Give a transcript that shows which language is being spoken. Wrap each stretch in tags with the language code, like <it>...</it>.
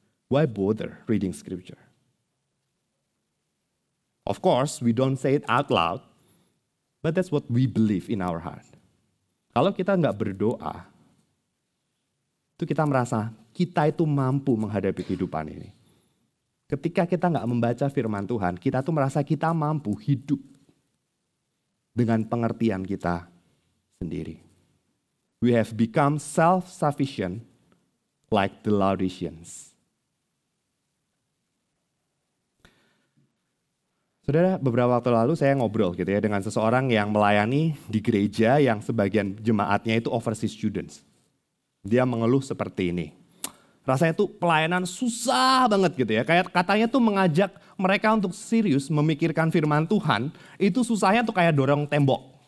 <en>Why bother reading scripture? Of course, we don't say it out loud. But that's what we believe in our heart.</en> <id>Kalau kita gak berdoa, itu kita merasa kita itu mampu menghadapi kehidupan ini. Ketika kita gak membaca firman Tuhan, kita tuh merasa kita mampu hidup dengan pengertian kita sendiri.</id> <en>We have become self-sufficient like the Laodiceans.</en> <id>Saudara, beberapa waktu lalu saya ngobrol gitu ya dengan seseorang yang melayani di gereja yang sebagian jemaatnya itu</id> <en>overseas students.</en> <id>Dia mengeluh seperti ini. Rasanya tuh pelayanan susah banget gitu ya. Kayak katanya tuh mengajak mereka untuk serius memikirkan firman Tuhan, itu susahnya tuh kayak dorong tembok.</id>